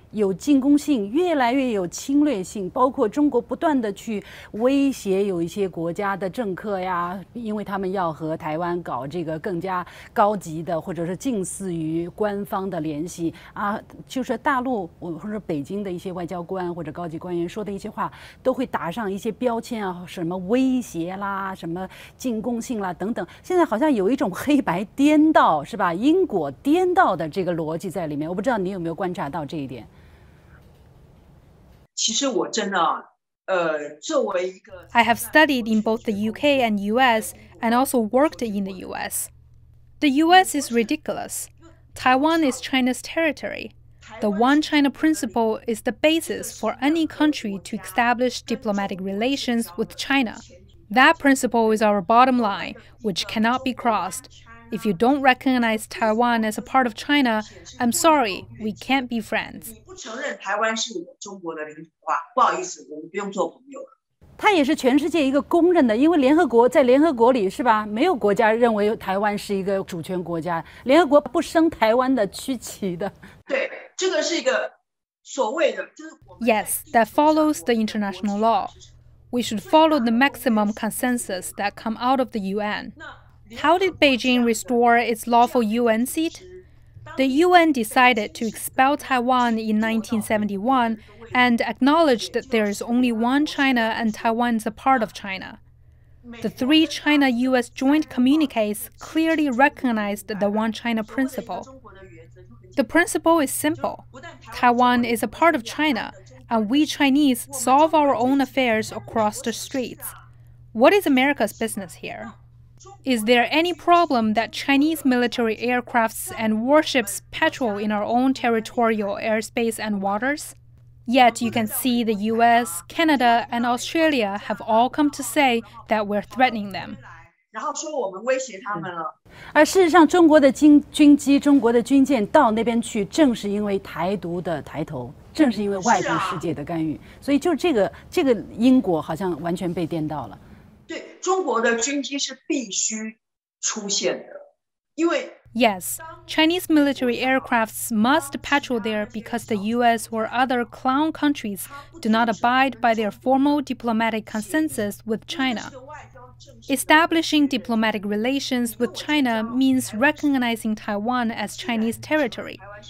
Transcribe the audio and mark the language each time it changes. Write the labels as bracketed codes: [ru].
[zh] 有进攻性，越来越有侵略性，包括中国不断的去威胁有一些国家的政客呀，因为他们要和台湾搞这个更加高级的或者是近似于官方的联系啊，就是大陆或者北京的一些外交官或者高级官员说的一些话都会打上一些标签啊，什么威胁啦，什么进攻性啦等等，现在好像有一种黑白颠倒是吧，因果颠倒的这个逻辑在里面，我不知道你有没有观察到这一点。其实我真的作为一个 [en] I have studied in both the UK and US and also worked in the US. The US is ridiculous. Taiwan is China's territory. The One China principle is the basis for any country to establish diplomatic relations with China. That principle is our bottom line, which cannot be crossed. If you don't recognize Taiwan as a part of China, I'm sorry, we can't be friends. [zh] 你不承认台湾是我中国的领土啊，不好意思，我们不用做朋友了。它也是全世界一个公认的，因为联合国在联合国里是吧，没有国家认为台湾是一个主权国家，联合国不升台湾的区旗的。对，这个是一个所谓的，就是我们。 [en] Yes, that follows the international law. We should follow the maximum consensus that come out of the UN. How did Beijing restore its lawful UN seat? The UN decided to expel Taiwan in 1971 and acknowledged that there is only one China and Taiwan is a part of China. The three China-US joint communiques clearly recognized the One China principle. The principle is simple. Taiwan is a part of China, and we Chinese solve our own affairs across the streets. What is America's business here? Is there any problem that Chinese military aircrafts and warships patrol in our own territorial airspace and waters? Yet you can see the US, Canada, and Australia have all come to say that we're threatening them. [zh] 然后说我们威胁他们了。而事实上中国的军机、中国的军舰到那边去，正是因为台独的抬头，正是因为外部世界的干预。所以就这个因果好像完全被颠倒了。对，中国的军机是必须出现的，因为 [en] Yes, Chinese military aircrafts must patrol there because the U.S. or other clown countries do not abide by their formal diplomatic consensus with China. Establishing diplomatic relations with China means recognizing Taiwan as Chinese territory.